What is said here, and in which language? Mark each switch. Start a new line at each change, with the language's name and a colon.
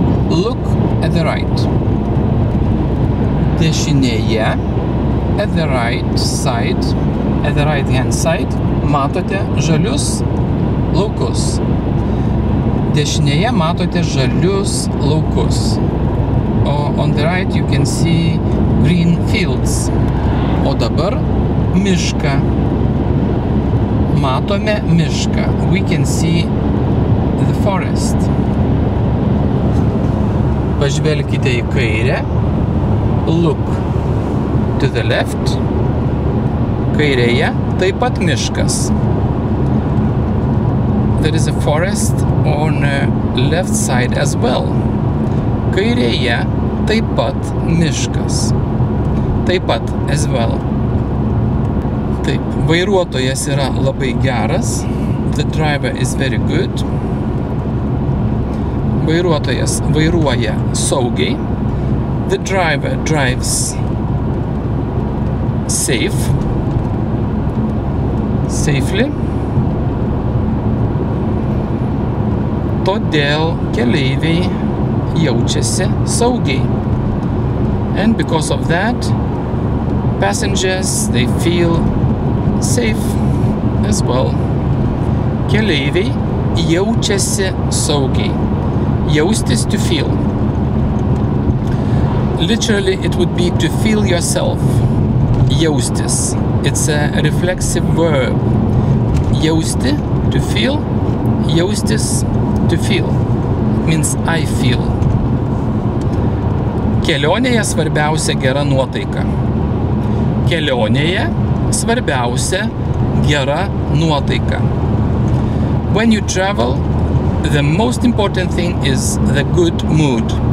English: Look at the right. Dešinėje, at the right side, at the right hand side,
Lithuanian: matote žalius laukus. Dešinėje matote žalius laukus.
English: O on the right you can see green fields.
Lithuanian: O dabar mišką. Matome mišką.
English: We can see the forest.
Lithuanian: Pažvelkite į kairę.
English: Look to the left.
Lithuanian: Kairėje taip pat miškas.
English: There is a forest on the left side as well.
Lithuanian: Kairėje taip pat miškas. Taip pat
English: as well.
Lithuanian: Taip, vairuotojas yra labai geras.
English: The driver is very good.
Lithuanian: Vairuotojas vairuoja saugiai.
English: The driver drives safe. Safely.
Lithuanian: Todėl keleiviai jaučiasi saugiai.
English: And because of that, passengers, they feel safe as well.
Lithuanian: Keleiviai jaučiasi saugiai.
English: Jaustis to feel. Literally, it would be to feel yourself. Jaustis. It's a reflexive verb. Jausti, to feel. Jaustis, to feel. Means I feel.
Lithuanian: Kelionėje svarbiausia gera nuotaika. Kelionėje svarbiausia gera nuotaika.
English: When you travel, the most important thing is the good mood.